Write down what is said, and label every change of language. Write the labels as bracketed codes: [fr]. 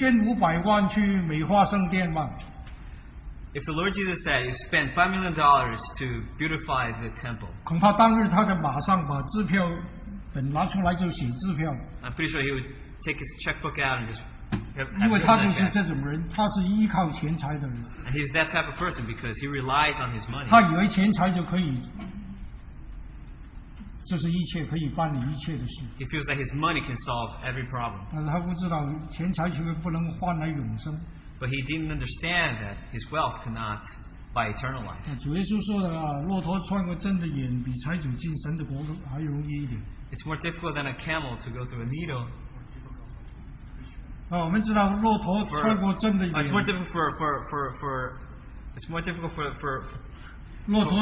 [zh] 我肯定说,假如主耶稣的回答说,你捐500万去美化圣殿吗? [en] If the Lord Jesus said, you spend $5 million to beautify the temple, I'm pretty sure he would take his checkbook out and just have it on the check. And he's that type of person because he relies on his money. He feels that his money can solve every problem. But he didn't understand that his wealth cannot buy eternal life. [zh] 主耶稣说的啊，骆驼穿过针的眼比柴犬进神的国还容易一点。 [en] It's more difficult than a camel to go through a needle. [zh] 啊，我们知道骆驼穿过针的眼。 [en] It's more difficult for it's more difficult for